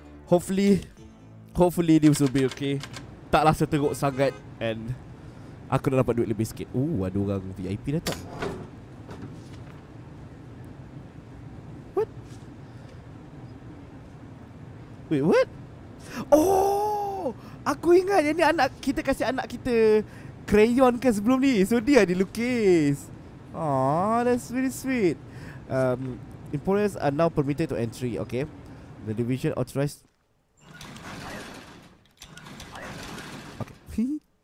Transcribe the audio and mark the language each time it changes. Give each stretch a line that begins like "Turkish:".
English: Hopefully this will be okay.
Malay: Taklah seteruk sangat. And aku dah dapat duit lebih sikit. Ada orang VIP datang.
English: What? Wait, what?
Malay: Oh, aku ingat yang ni anak kita, kasih anak kita crayon kan sebelum ni.
English: So
Malay: dia ada lukis.
English: Oh, that's really sweet. Employers are now permitted to entry. Okay. The division authorized. Okay.